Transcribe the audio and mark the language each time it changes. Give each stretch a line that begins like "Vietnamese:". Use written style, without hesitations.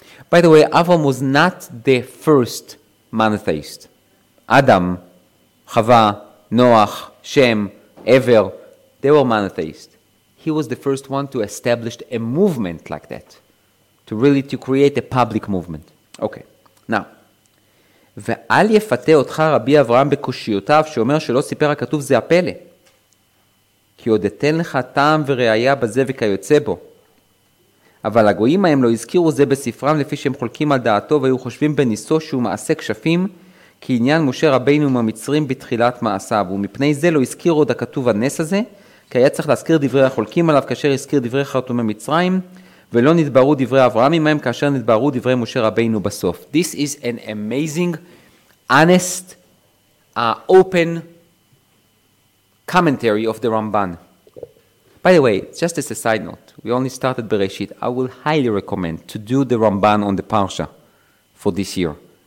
English: By the way, Avram was not the first monotheist. Adam, Chava, Noach, Shem, Ever, they were monotheists. He was the first one to establish a movement like that, to really to create a public movement. Okay, now.
Hebrew: ואל יפתה אותך רבי אברהם בקושיותיו, שאומר שלא סיפר הכתוב זה הפלא, כי עוד אתן לך טעם וראיה בזה וכיוצא בו. אבל הגויים מהם לא הזכירו זה בספרם לפי שהם חולקים על דעתו והיו חושבים בניסו שהוא מעשה כשפים כי עניין משה רבינו עם המצרים בתחילת מעשיו ומפני זה לא הזכיר עוד הכתוב הנס הזה כי היה צריך להזכיר דברי החולקים עליו כאשר הזכיר דברי חרטומי מצרים ולא נתברו דברי אברהם עם מהם כאשר נתברו דברי משה רבינו בסוף.
English: This is an amazing, honest, open commentary of the Ramban. By the way, just as a side note, we only started Bereshit. I will highly recommend to do the Ramban on the Parsha for this year.